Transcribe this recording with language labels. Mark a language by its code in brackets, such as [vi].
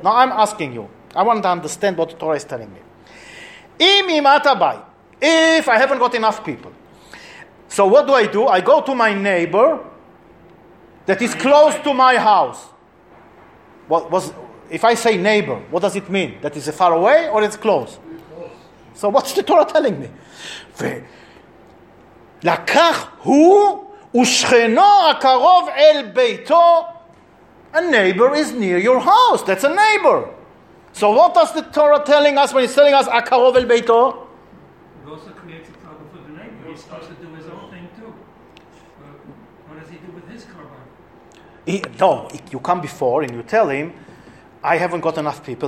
[en] Now I'm asking you, I want to understand what the Torah is telling me. [he] אם אימת הבית, [en] if I haven't got enough people, so what do? I go to my neighbor that is close to my house. If I say neighbor, what does it mean? That is far away or it's close? So what's the Torah telling me? [he] לקח הוא ושכנו הקרוב אל ביתו. [en] A neighbor is near your house. That's a neighbor. So what does the Torah telling us when it's telling us [he] הקרוב אל ביתו? [en] He also creates a problem for the neighbor. He's supposed to do his own thing too. But what does he do with his karban? No, you come before and you tell him, I haven't got enough people.